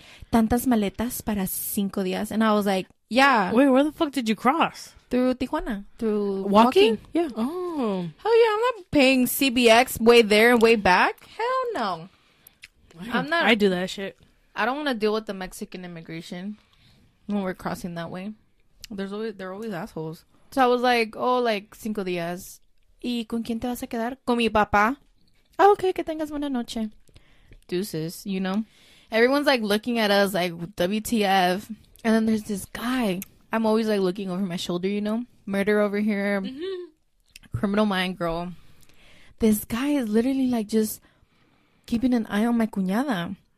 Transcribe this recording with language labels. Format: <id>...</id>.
<es>¿Tantas maletas para 5 días?</es> <en>And I was like, yeah. Wait, where the fuck did you cross? Through Tijuana. Through walking? Yeah. Oh. Hell yeah, I'm not paying CBX way there and way back. Hell no. I do that shit. I don't want to deal with the Mexican immigration when we're crossing that way. They're always assholes. So I was like, oh, like</en> <es>5 días. ¿Y con quién te vas a quedar? Con mi papá. Oh, okay, que tengas buena noche.</es> <en>Deuces, you know? Everyone's like looking at us like WTF. And then there's this guy. I'm always like looking over my shoulder, you know? Murder over here. Mm-hmm. Criminal mind, girl. This guy is literally like just keeping an eye on my cuñada.</en>